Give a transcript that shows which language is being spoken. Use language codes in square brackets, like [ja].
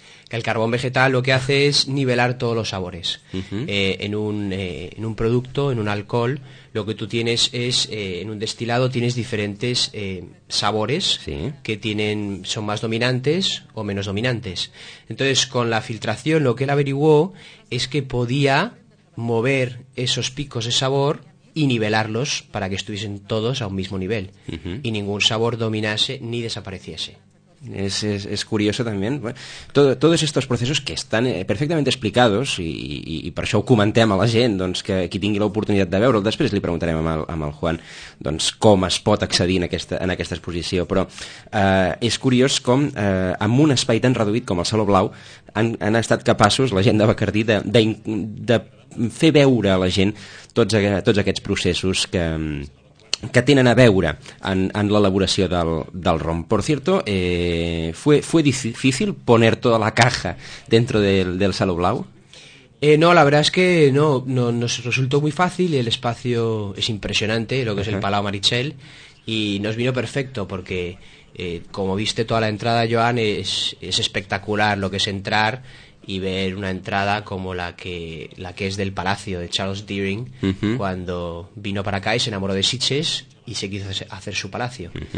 [es] El carbón vegetal lo que hace es nivelar todos los sabores. En un producto, en un alcohol, lo que tú tienes es, en un destilado tienes diferentes sabores que son más dominantes o menos dominantes. Entonces, con la filtración lo que él averiguó es que podía mover esos picos de sabor y nivelarlos para que estuviesen todos a un mismo nivel y ningún sabor dominase ni desapareciese. [ca] Es curioso también, bueno, todos estos procesos que están perfectamente explicados y per això ho comentem a la gent, doncs, que qui tingui l'oportunitat de veure'l, després li preguntarem amb el Juan, doncs, com es pot accedir en aquesta exposició, però és curiós com amb un espai tan reduït com el Saló Blau han estat capaços, la gent de Bacardí, de fer veure a la gent tots aquests processos que [es] tienen a veure en la elaboración del ron. Por cierto, ¿fue difícil poner toda la caja dentro del Saló Blau? No, la verdad es que no nos resultó muy fácil. El espacio es impresionante, lo que es el Palau Marichel, y nos vino perfecto porque, como viste toda la entrada, Joan, es espectacular lo que es entrar y ver una entrada como la que es del palacio de Charles Deering cuando vino para acá y se enamoró de Sitges y se quiso hacer su palacio.